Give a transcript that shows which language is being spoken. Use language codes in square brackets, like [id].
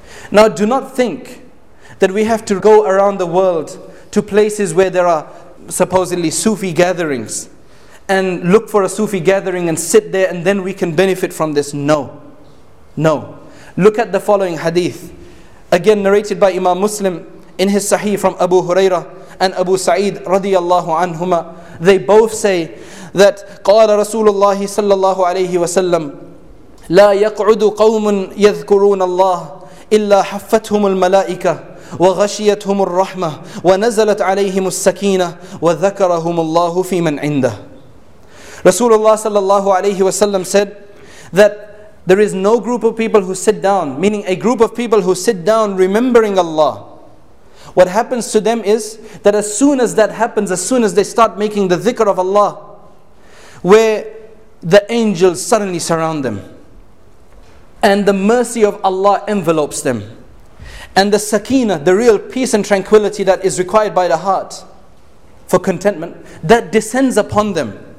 [en] Now do not think that we have to go around the world to places where there are supposedly Sufi gatherings and look for a Sufi gathering and sit there and then we can benefit from this. No. No. Look at the following hadith. Again narrated by Imam Muslim in his Sahih from Abu Hurairah and Abu Sa'id radiallahu anhuma. They both say that [ar] قال رسول الله صلى الله عليه وسلم لا يقعد قوم يذكرون الله إلا حفتهم الملائكة وغشيتهم الرحمة ونزلت عليهم السكينة وذكرهم الله في من عنده. [en] Rasulullah sallallahu alayhi wa sallam said that there is no group of people who sit down, meaning a group of people who sit down remembering Allah, What happens to them is that as soon as that happens, as soon as they start making the dhikr of Allah, where the angels suddenly surround them, and the mercy of Allah envelopes them, and the sakina, the real peace and tranquility that is required by the heart for contentment, that descends upon them.